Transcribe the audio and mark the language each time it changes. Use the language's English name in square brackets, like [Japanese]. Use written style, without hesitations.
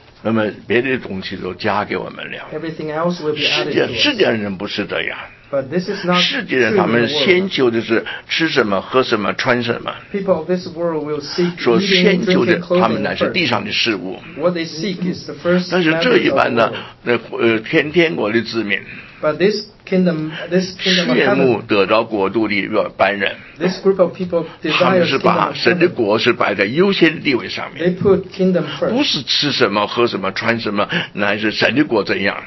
[Chinese] 那么别的东西都加给我们了 [English] Everything else will be added to us [Chinese] 世界人不是这样 [English] But this is not [Chinese] 世界人他们先求的是吃什么喝什么穿什么 [English] People of this world will seek eating, drinking, clothing [Chinese] 说先求的他们乃是地上的事物 [English] What they seek is the first [Chinese] 但是这一般呢天天国的子民 [English] But this Kingdom, this kingdom [Chinese] 羡慕得着国度的一般人 [English] this group of people desires [Chinese] 他们是把神的国是摆在优先的地位上面 [English] they put kingdom first. [Chinese] 不是吃什么喝什么穿什么乃是神的国怎样